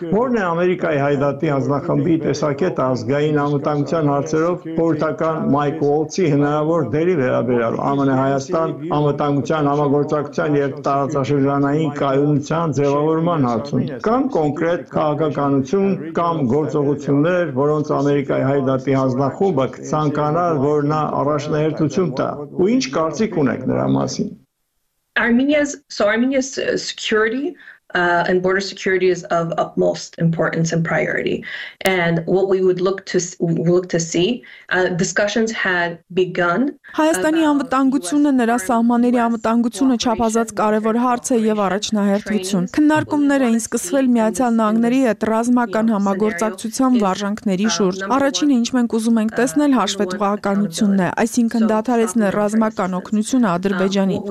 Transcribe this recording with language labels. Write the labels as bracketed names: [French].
[Armenian] Որն է Ամերիկայի հայդատի անձնախմբի տեսակետը ազգային անվտանգության հարցերով խորհրդական Mike Waltz-ի հնարավոր դերի վերաբերյալ ԱՄՆ Հայաստան անվտանգության համագործակցության եւ տարածաշրջանային կայունության ձևավորման հարցում, կամ կոնկրետ քաղաքականություն կամ գործողություններ, որոնց Ամերիկայի հայդատի հանձնախումբը ցանկանար, որ նա առաջնահերթություն տա, ու ինչ կարծիք ունեք նրա մասին։ [English] Armenia's security and border security is of utmost importance and priority, and what we would look to see discussions had begun. [Armenian] Հայաստանի անվտանգությունը, նրա սահմանների անվտանգությունը չափազանց կարևոր հարց է եւ առաջնահերթություն։ Քննարկումներ էին սկսվել Միացյալ Նահանգների հետ ռազմական համագործակցության վարժանքների շուրջ։ Առաջինը, ինչ մենք ուզում ենք տեսնել, հաշվետվողականությունն է, այսինքն դադարեցնել ռազմական օգնությունը Ադրբեջանի։